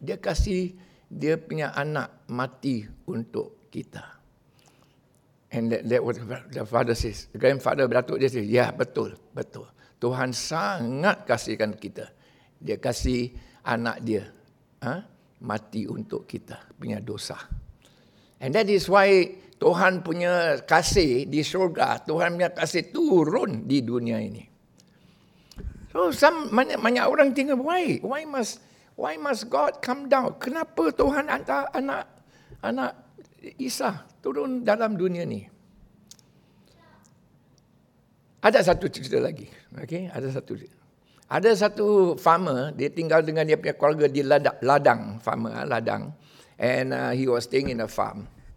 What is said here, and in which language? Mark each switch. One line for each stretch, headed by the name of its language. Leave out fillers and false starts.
Malay: Dia kasih dia punya anak mati untuk kita.
English: And that was the father says, the grandfather, Datuk dia says, yeah, betul.
Malay: Tuhan sangat kasihkan kita. Dia kasih anak dia mati untuk kita punya dosa.
English: And that is why
Malay: Tuhan punya kasih di syurga, Tuhan punya kasih turun di dunia ini.
English: So
Malay: banyak orang tinggal,
English: why must God come down?
Malay: Kenapa Tuhan hantar anak Isa turun dalam dunia ini? Ada satu cerita lagi. Okay, ada satu farmer, dia tinggal dengan dia punya keluarga di ladang.
English: And he was staying in a farm.